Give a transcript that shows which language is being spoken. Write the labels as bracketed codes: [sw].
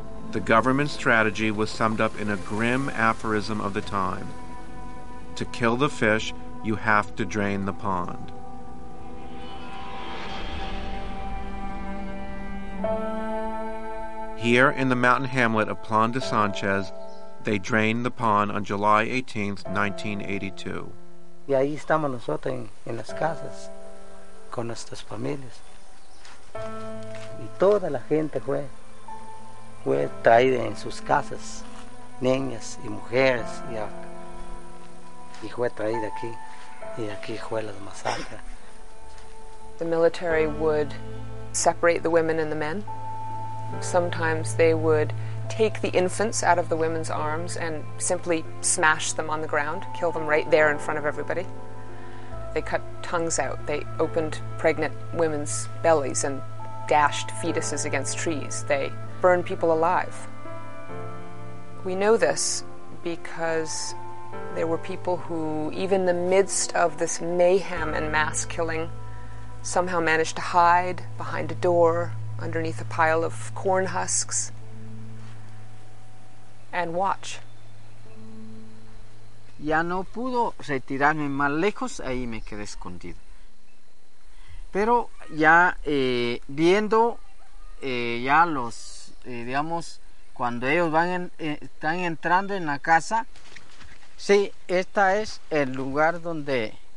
[en] The government's strategy was summed up in a grim aphorism of the time: to kill the fish, you have to drain the pond. Here in the mountain hamlet of Plan de Sanchez, they drained the pond on July 18, 1982. [es] Y ahí estamos nosotros en las casas con nuestras familias. Y toda la gente fue traída en sus casas, niñas y mujeres, y fue traída aquí, y aquí fue la masacre. [en] The military would separate the women and the men. Sometimes they would take the infants out of the women's arms and simply smash them on the ground, kill them right there in front of everybody. They cut tongues out. They opened pregnant women's bellies and dashed fetuses against trees. They burned people alive. We know this because there were people who, even in the midst of this mayhem and mass killing, somehow managed to hide behind a door, underneath a pile of corn husks, and watch. [es] Ya no pudo retirarme más lejos, ahí me quedé escondido. Pero ya viendo ya los, digamos, cuando ellos van están entrando en la casa, sí, esta es el lugar donde